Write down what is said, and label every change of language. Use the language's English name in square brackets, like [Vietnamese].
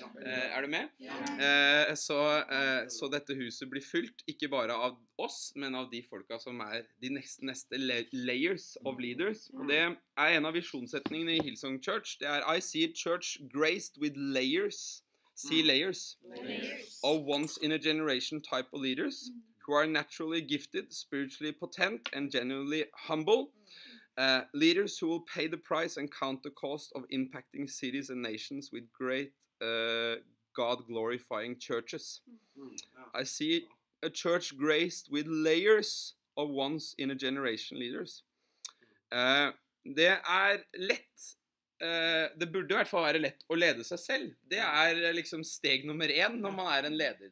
[Norwegian] Er du med? Så dette huset blir fylt, ikke bare av oss, men av de folka som er de neste [English] layers of leaders. [Norwegian] Og det er en av visjonssetningene i Hillsong Church. Det er, [English] I see a church graced with layers, See layers. Of once in a generation type of leaders who are naturally gifted, spiritually potent, and genuinely humble. Leaders who will pay the price and count the cost of impacting cities and nations with great God-glorifying churches. I see a church graced with layers of once in a generation leaders. [Norwegian] Det er lett, det burde i hvert fall være lett å lede seg selv. Det er liksom steg nummer en når man er en leder.